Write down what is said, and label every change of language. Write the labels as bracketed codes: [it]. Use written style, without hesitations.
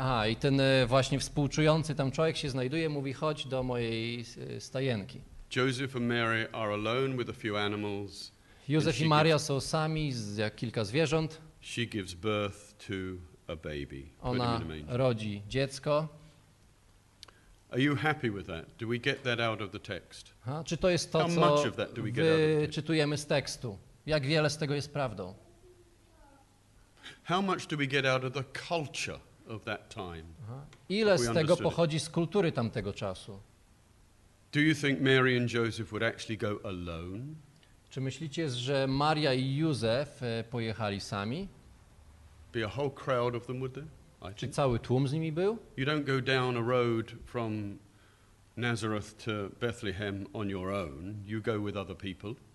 [pl] I ten właśnie współczujący tam człowiek się znajduje, mówi, chodź do mojej stajenki. [en] Joseph and Mary are alone with a few animals. [pl] Józef i Maria są sami z kilka zwierząt. [en] She gives birth to a baby. [pl] Ona rodzi dziecko. [en] Are you happy with that? Do we get that out of the text? [pl] Ha, czy to jest to, [en] how [pl] co [en] much of that do we [pl] wyczytujemy z tekstu? Jak wiele z tego jest prawdą? [en] How much do we get out of the culture of that time? [pl] Ile z tego pochodzi z kultury tamtego czasu? [en] Do you think Mary and Joseph would actually go alone? [pl] Czy myślicie, że Maria i Józef pojechali sami? [en] Be a whole crowd of them, would they? [pl] Czy cały tłum z nimi był? [en] You don't go down a road from Nazareth to Bethlehem on your own. You go with other people.